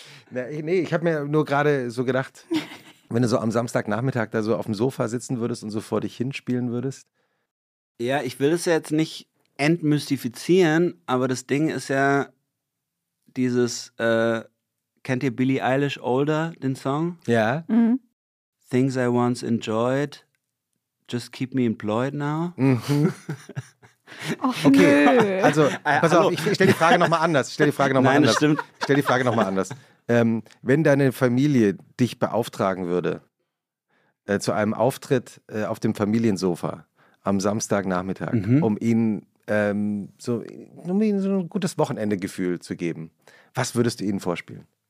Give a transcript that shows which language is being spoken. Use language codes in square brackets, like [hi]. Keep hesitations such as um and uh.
[de] Na, ich- nee, ich habe mir nur gerade so gedacht, wenn du so am Samstagnachmittag da so auf dem Sofa sitzen würdest und so vor dich hinspielen würdest. Ja, ich will es ja jetzt nicht entmystifizieren, aber das Ding ist ja dieses, äh, kennt ihr Billie Eilish Older, den Song? Ja. mhm. [en] Things I once enjoyed, just keep me employed now. [de] Mhm. Och, Okay, nö. also pass hallo. auf, ich, ich stelle die Frage nochmal anders. Ich stelle die Frage nochmal Nein, das anders. stimmt. Ich stelle die Frage nochmal anders. Ähm, wenn deine Familie dich beauftragen würde äh, zu einem Auftritt äh, auf dem Familiensofa am Samstagnachmittag, Mhm. um ihnen ähm, so, um ihnen so ein gutes Wochenendegefühl zu geben, was würdest du ihnen vorspielen?